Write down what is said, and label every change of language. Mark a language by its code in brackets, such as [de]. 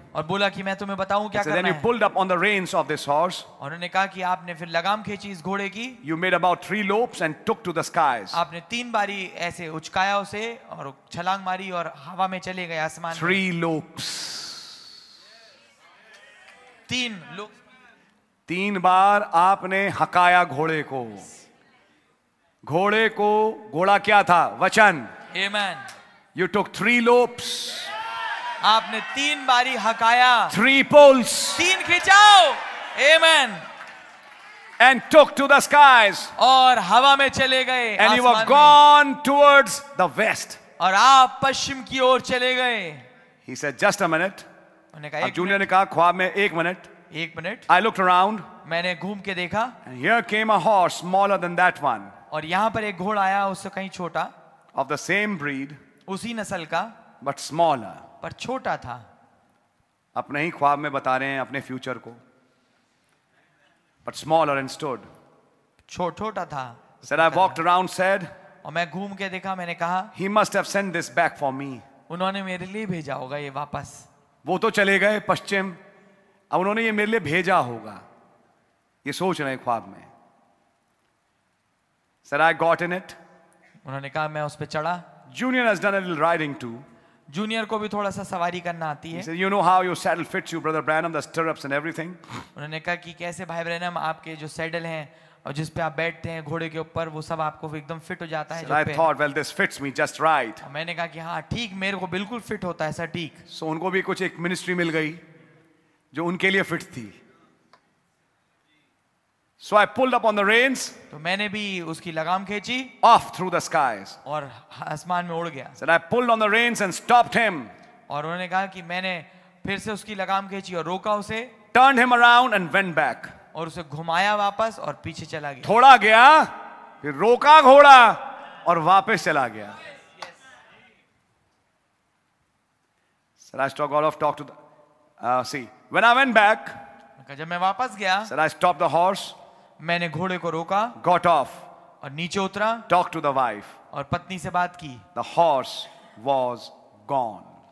[hi] और बोला कि मैं तुम्हें बताऊं क्या करना [en] है. Then you pulled up on the reins of this horse. [hi] और उन्होंने कहा कि आपने फिर लगाम खींची इस घोड़े की. [en] You made about 3 lopes and took to the skies. [hi] आपने 3 बारी ऐसे उचकाया उसे और छलांग मारी और हवा में चले गए आसमान. [en] 3 lopes. 3 lopes. [hi] 3 बार आपने हकाया घोड़े को. घोड़े को घोड़ा क्या था? वचन. [en] Amen. You took 3 lopes. [hi] आपने 3 बारी हकाया. [en] 3 poles. [hi] 3 खिंचाओ. Amen. [en] And took to the skies. [hi] और हवा में चले गए. [en] And you were gone towards the west. [hi] और आप पश्चिम की ओर चले गए. [en] He said, just a minute. [hi] उन्हें कहा. जूनियर ने कहा ख्वाब में एक मिनट. [en] I looked around. [hi] मैंने घूम के देखा. [en] And here came a horse smaller than that one. [hi] और यहां पर एक घोड़ा आया उससे कहीं छोटा. [en] Of the same breed. [hi] उसी नस्ल का. [en] But smaller. [hi] पर छोटा था. अपने ही ख्वाब में बता रहे हैं अपने फ्यूचर को. [en] But smaller and stood. [hi] छोटा था. [en] Said I walked around, said. [hi] और मैं घूम के देखा मैंने कहा. [en] He must have sent this back for me. [hi] उन्होंने मेरे लिए भेजा होगा ये वापस. वो तो चले गए पश्चिम. अब उन्होंने ये मेरे लिए भेजा होगा. ये सोच रहे हैं ख्वाब में. [en] Said I got in it. [hi] उन्होंने कहा मैं उस पे चढ़ा. [en] Junior has done a little riding too. [hi] Junior को भी थोड़ा सा सवारी करना आती है. [en] He said, you know how your saddle fits you, brother Branham, the stirrups and everything. [hi] उन्होंने कहा कि कैसे भाई ब्रैनम आपके जो सैडल हैं और जिस पे आप बैठते हैं घोड़े के ऊपर वो सब आपको एकदम फिट हो जाता है. [en] I thought, well, this fits me just right. [hi] मैंने कहा कि हाँ ठीक मेरे को बिल्कुल फिट होता है सटीक. So उनको भी कुछ एक मिनिस्ट्री मिल गई जो उनके लिए फिट थी. [en] So I pulled up on the reins. [hi] तो मैंने भी उसकी लगाम खींची. [en] Off through the skies. [hi] और आसमान में उड़ गया. [en] Said I pulled on the reins and stopped him. [hi] और उन्होंने कहा कि मैंने फिर से उसकी लगाम खींची और रोका उसे. [en] Turned him around and went back. [hi] और उसे घुमाया वापस और पीछे चला गया. थोड़ा गया फिर रोका घोड़ा और वापस चला गया. [en] Said I stopped off, talked to the, when I went back. [hi] जब मैं वापस गया. [en] Said I stopped the horse. [hi] मैंने घोड़े को रोका. [en] Got off. [hi] और नीचे उतरा. [en] Talked to the wife. [hi] और पत्नी से बात की. [en] The horse was gone.